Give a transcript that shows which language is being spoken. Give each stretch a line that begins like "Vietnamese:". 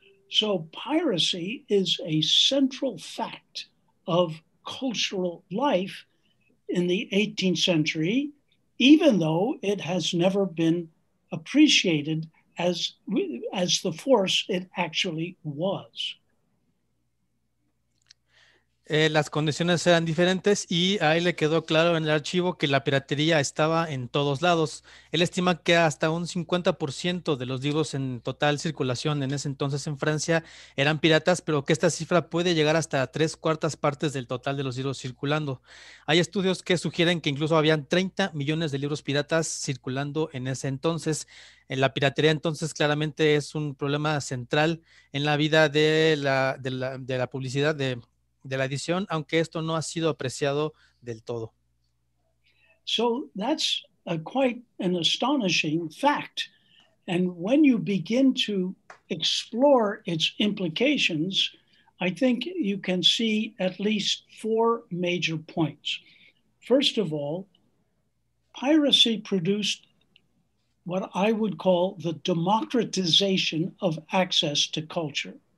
English: So piracy is a central fact of cultural life in the 18th century, even though it has never been appreciated as the force it actually was.
Spanish: Las condiciones eran diferentes, y ahí le quedó claro en el archivo que la piratería estaba en todos lados. Él estima que hasta un 50% de los libros en total circulación en ese entonces en Francia eran piratas, pero que esta cifra puede llegar hasta 3/4 partes del total de los libros circulando. Hay estudios que sugieren que incluso habían 30 millones de libros piratas circulando en ese entonces. La piratería entonces claramente es un problema central en la vida de la publicidad de la edición, aunque esto no ha sido apreciado del todo.
English: So that's quite an astonishing fact. And when you begin to explore its implications, I think you can see at least 4 major points. First of all, piracy produced what I would call the democratization of access to culture.